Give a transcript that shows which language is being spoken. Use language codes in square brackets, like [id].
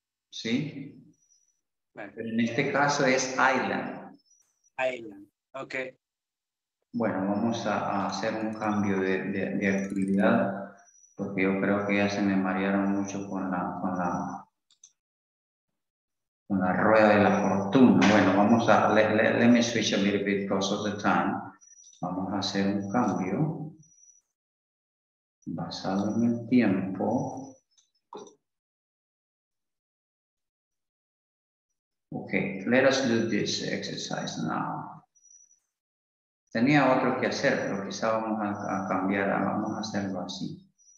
[es] Sí. Bueno. Pero en este caso es Island. [en] Island, ok. [es] Bueno, vamos a hacer un cambio de actividad, porque yo creo que ya se me marearon mucho con la rueda de la fortuna. Bueno, vamos a, [en] let me switch a little bit because of the time. [es] Vamos a hacer un cambio basado en el tiempo. [en] Okay, let us do this exercise now. [es] Tenía otro que hacer, pero quizá vamos a cambiar, vamos a hacerlo así.